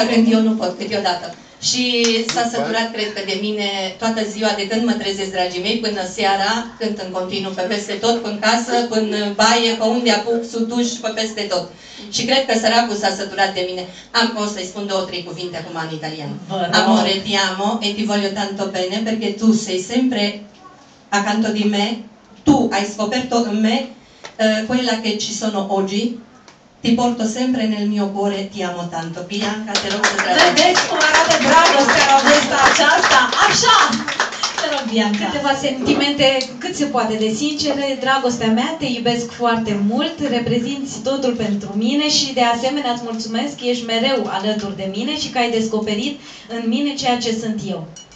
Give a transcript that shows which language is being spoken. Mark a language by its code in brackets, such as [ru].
[ro] Câteodată, când eu nu pot. Și s-a săturat, cred că, de mine toată ziua, de când mă trezesc, dragii mei, până seara, cânt în continuu, pe peste tot, până casă, până baie, pe unde apuc, sutuș, pe peste tot. Și cred că săracul s-a săturat de mine. Am, o să-i spun două, trei cuvinte acum în italian. [it] Amore, ti amo, e ti voglio tanto bene, perché tu sei sempre accanto di me, tu hai scoperto in me quella che ci sono oggi, ti porto sempre nel mio cuore, ti amo tanto. [ro] Bianca, te rog să trebuie. Vedeți cum arată dragostea la vesta aceasta? Așa! Te rog, Bianca. Câteva sentimente, cât se poate de sincere. Dragostea mea, te iubesc foarte mult, reprezinți totul pentru mine și de asemenea îți mulțumesc că ești mereu alături de mine și că ai descoperit în mine ceea ce sunt eu.